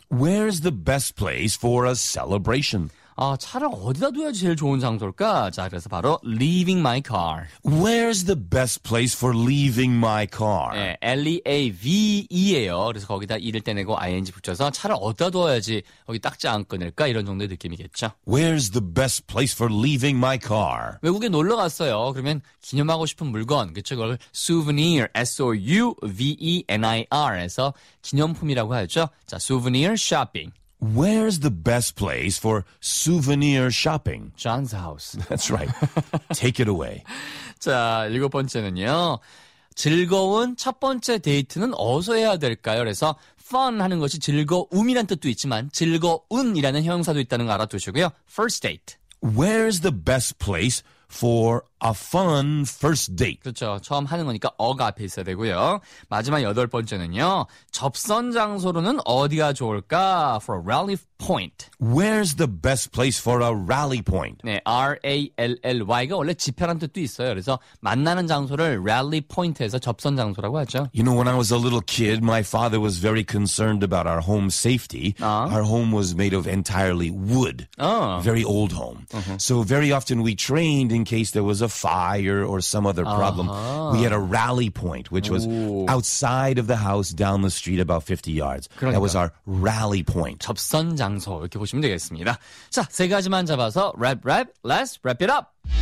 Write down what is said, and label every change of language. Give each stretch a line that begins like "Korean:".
English: Where's the best place for a celebration?
Korean: 아, 차를 어디다 둬야 제일 좋은 장소일까? 자, 그래서 바로
English: leaving my car. Where's the best place for leaving my car?
Korean: 네, L-E-A-V-E예요. 그래서 거기다 E를 떼내고 ing 붙여서 차를 어디다 둬야지 여기 딱지 안 끊을까? 이런 정도의 느낌이겠죠.
English: Where's the best place for leaving my car?
Korean: 외국에 놀러 갔어요. 그러면 기념하고 싶은 물건, 그쵸? 그걸 souvenir, S-O-U-V-E-N-I-R 해서 기념품이라고 하죠.
English: 자, souvenir shopping. Where's the best place for souvenir shopping? John's house. That's right. Take it away.
Korean: 자, 일곱 번째는요. 즐거운 첫 번째 데이트는 어디서 해야 될까요? 그래서 fun 하는 것이 즐거움이란 뜻도 있지만 즐거운이라는 형용사도 있다는 거 알아두시고요.
English: First date. Where's the best place for a fun first date?
Korean: 그렇죠. 처음 하는 거니까 어가 앞에 있어야 되고요. 마지막 여덟 번째는요. 접선 장소로는 어디가 좋을까?
English: For a rally point. Where's the best place for a rally point?
Korean: 네, R-A-L-L-Y가 원래 집회란 뜻도 있어요. 그래서 만나는 장소를 rally point에서 접선 장소라고 하죠.
English: You know, when I was a little kid, my father was very concerned about our home safety. Our home was made of entirely wood. Very old home. So very often we trained in case there was a fire or some other problem. We had a rally point, which was outside of the house down the street about 50 yards.
Korean: 그러니까.
English: That was our rally point.
Korean: 접선 장소 이렇게 보시면 되겠습니다. 자, 세 가지만 잡아서 랩 랩,
English: let's wrap it up.